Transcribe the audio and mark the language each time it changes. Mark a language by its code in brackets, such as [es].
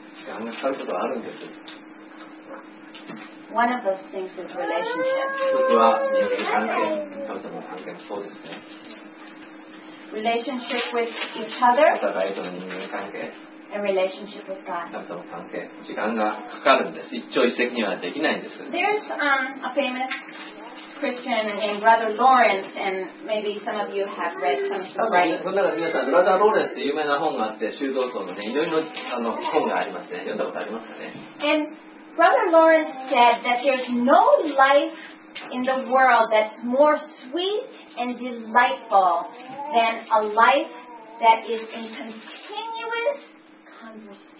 [ja] 時間がかかることはあるんです。一つは人間関係、神様の関係もそうですね。 [en] Relationship with each other, [ja] お互いとの人間関係、 [en] and relationship with God. [ja] 神様の関係、時間がかかるんです。一朝一夕にはできないんです。 [en] There's a famous Christian named Brother Lawrence, and maybe some of you have read some of his writings. [ja] その中で皆さん、ブラザー・ローレンスって有名な本があって、修道僧のね、いろいろ本がありますね。読んだことありますかね。 [en] And Brother Lawrence said that there's no life in the world that's more sweet and delightful than a life that is in continuous